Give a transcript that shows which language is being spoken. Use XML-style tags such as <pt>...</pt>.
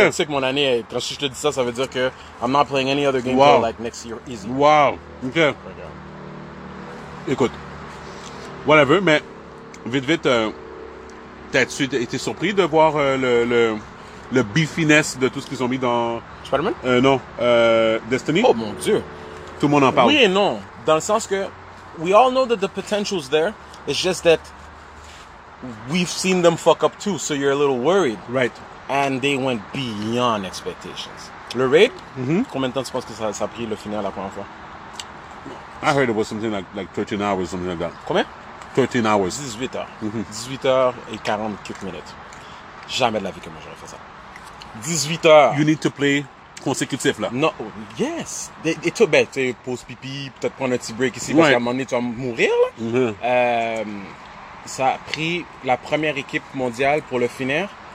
<fr>Tu sais que mon année, est... quand je te dis ça, ça veut dire que</fr> <en>I'm not playing any other game wow. till like next year easy. Wow, ok. Okay.</en> <fr>Écoute, whatever, mais vite, t'as-tu été surpris de voir le beefiness de tout ce qu'ils ont mis dans... Spider-Man? Destiny? Oh mon Dieu. Tout le monde en parle. Oui et non, dans le sens que</fr> <en>we all know that the potential's there, it's just that we've seen them fuck up too, so you're a little worried. Right. And they went beyond expectations.</en> <fr>Le raid,</fr> <en>mm-hmm.</en> <fr>combien de temps tu penses que ça a pris le final la première fois?</fr> <en>I heard it was something like 13 hours, something like that.</en> <fr>Combien?</fr> <en>13 hours.</en> <fr>18 heures. Mm-hmm. 18 heures et 44 minutes. Jamais de la vie que moi j'aurais fait ça. 18 heures.</fr> <en>You need to play</en> <fr>consécutif là. Non, yes. Et toi, ben, tu pause pipi, peut-être prendre un petit break ici, right. parce qu'à un moment donné, tu vas mourir là. Mm-hmm. Ça a pris la première équipe mondiale pour le finir.</fr>